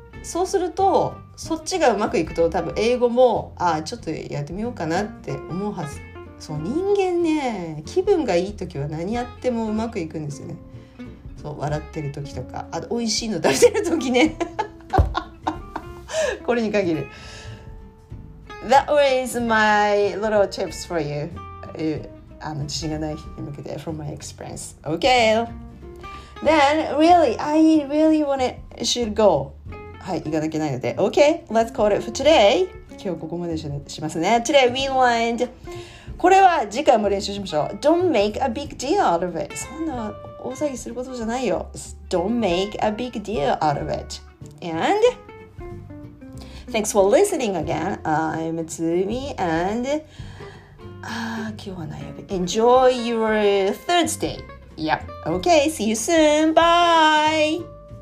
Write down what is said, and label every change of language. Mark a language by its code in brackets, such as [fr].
[ja] そうするとそっちがうまくいくと、多分英語もちょっとやってみようかなって思うはず。そう、人間ね、気分がいい時は何やってもうまくいくんですよね。そう、笑ってる時とか、あと美味しいの食べてる時ねこれに限る。 [en] That was my little tips for you、 [ja] 自信がない人に向けて [en] from my experience. Okay. Then, really, I really want it should go. [ja] はい、行かなきゃないので。 [en] Okay, let's call it for today. [ja] 今日ここまでしますね。 [en] Today, we learned. [ja] これは次回も練習しましょう。 [en] Don't make a big deal out of it. [ja] そんな大騒ぎすることじゃないよ。 [en] Don't make a big deal out of it. And, thanks for listening again. I'm Tsumi and... [ja] 今日は悩み。 [en] Enjoy your Thursday. Yeah. Okay. See you soon. Bye.